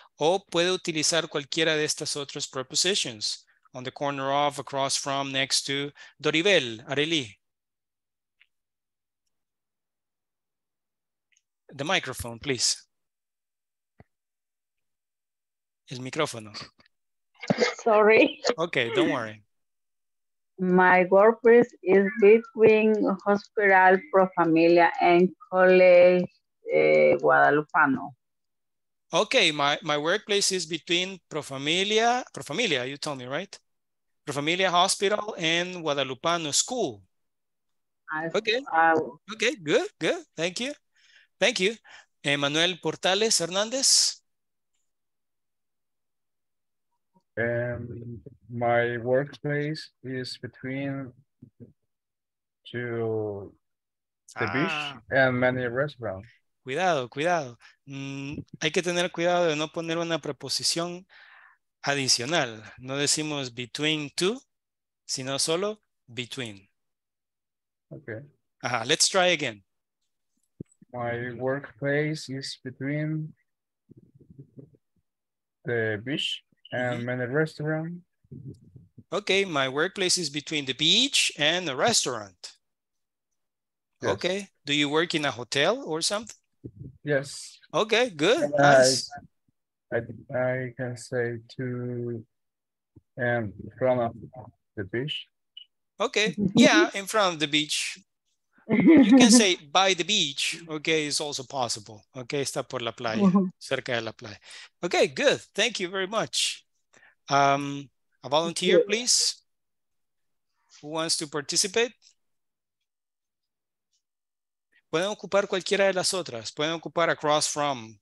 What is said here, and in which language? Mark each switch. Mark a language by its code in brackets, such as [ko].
[es] O puede utilizar cualquiera de estas otras prepositions. [en] On the corner of, across from, next to. Doribel, Areli. The microphone, please. [es] El micrófono. [en] Sorry. Okay, don't worry. My workplace is between Hospital Pro Familia and College Guadalupano. Okay, my workplace is between Pro Familia, you told me, right? Pro Familia Hospital and Guadalupano School. Okay, good, thank you. Emmanuel Portales Hernandez. My workplace is between the beach and many restaurants. [es] Cuidado. Hay que tener cuidado de no poner una preposición adicional. No decimos [en] between two, [es] sino solo between. [en] Okay. Let's try again. My workplace is between the beach and many restaurants. Okay, my workplace is between the beach and a restaurant. Yes. Okay, do you work in a hotel or something? Yes. Okay, good. I can say to in front of the beach. Okay, yeah, in front of the beach. You can say by the beach, okay, it's also possible. [es] Okay, está por la playa, cerca de la playa. [en] Okay, good, thank you very much. A volunteer, please. Who wants to participate? [es] Pueden ocupar cualquiera de las otras. Pueden ocupar [en] across from.